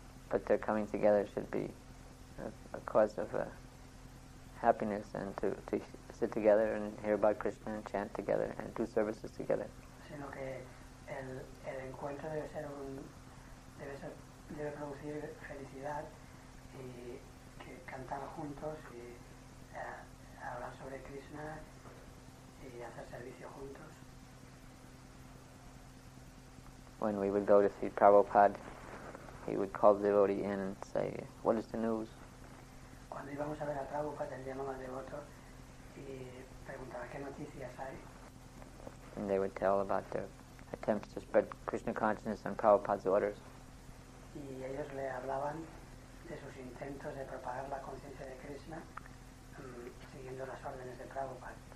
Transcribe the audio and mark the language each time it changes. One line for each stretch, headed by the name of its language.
English: But their coming together should be a cause of happiness, and to sit together and hear about Krishna and chant together and do services together.
Spanish: Sino que el encuentro debe producir felicidad y que cantar juntos y hablar sobre Krishna y hacer servicio juntos.
English: When we would go to see Prabhupada, he would call the devotee in and say, what is the news?
Spanish: Cuando íbamos a ver a Prabhupada, él llamaba al devoto y preguntaba, ¿qué noticias hay?
English: and they would tell about their attempts to spread Krishna consciousness on Prabhupada's orders.
Spanish: Y ellos le hablaban de sus intentos de propagar la conciencia de Krishna siguiendo las órdenes de Prabhupada.